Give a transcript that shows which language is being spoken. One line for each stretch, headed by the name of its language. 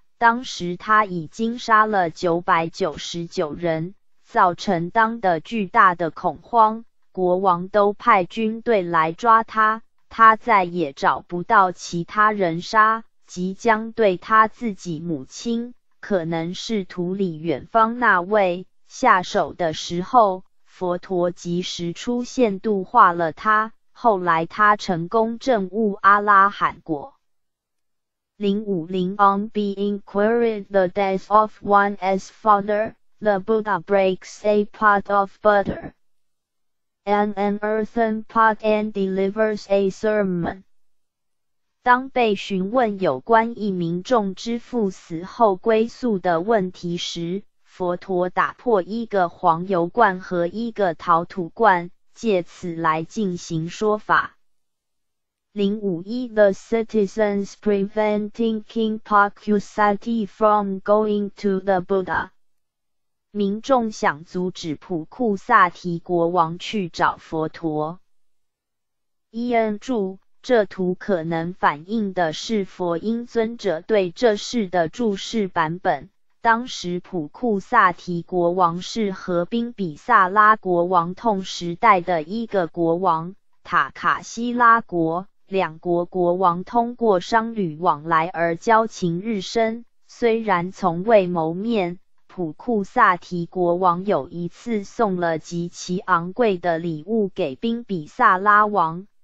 Chinese: 当时他已经杀了999人，造成当地巨大的恐慌，国王都派军队来抓他，他再也找不到其他人杀，即将对他自己母亲，可能是土里远方那位下手的时候，佛陀及时出现度化了他。后来他成功证悟阿拉罕果。
English: 050 On being queried the death of one's father, the Buddha breaks a pot of butter and an earthen pot and delivers a sermon.
Chinese: 当被询问有关一民众之父死后归宿的问题时，佛陀打破一个黄油罐和一个陶土罐，借此来进行说法。
English: 051 The citizens preventing King Pakusati from going to the Buddha.
Chinese: 民众想阻止普库萨提国王去找佛陀。伊恩注：这图可能反映的是佛音尊者对这事的注释版本。当时普库萨提国王是合兵比萨拉国王同时代的一个国王塔卡西拉国，两国国王通过商旅往来而交情日深，虽然从未谋面，普库萨提国王有一次送了极其昂贵的礼物给兵比萨拉王，